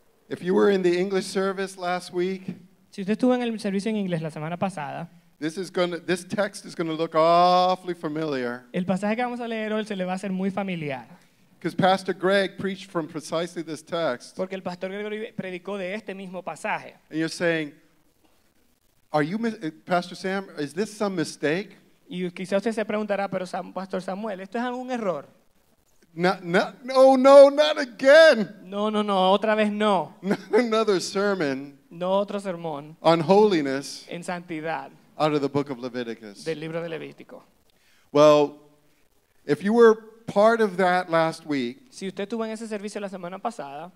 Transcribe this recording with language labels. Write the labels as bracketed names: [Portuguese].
[English] If you were in the English service last week, [Spanish] si usted estuvo en el servicio en inglés la semana pasada, [English] this text is going to look awfully familiar. [Spanish] El pasaje que vamos a leer hoy se le va a hacer muy familiar. [English] Because Pastor Greg preached from precisely this text. [Spanish] Porque el pastor Gregory predicó de este mismo pasaje. [English] And you're saying, "Are you, Pastor Sam? Is this some mistake?" [Spanish] Y quizás usted se preguntará, pero Pastor Samuel, ¿esto es algún error? [English] No, not again. [Spanish] No, otra vez no. [English] Not another sermon. [Spanish] No otro sermón. [English] On holiness. [Spanish] En santidad. [English] Out of the book of Leviticus. [Spanish] Del libro de Levítico. [English] Well, if you were part of that last week, [Spanish] si usted estuvo en ese servicio la semana pasada,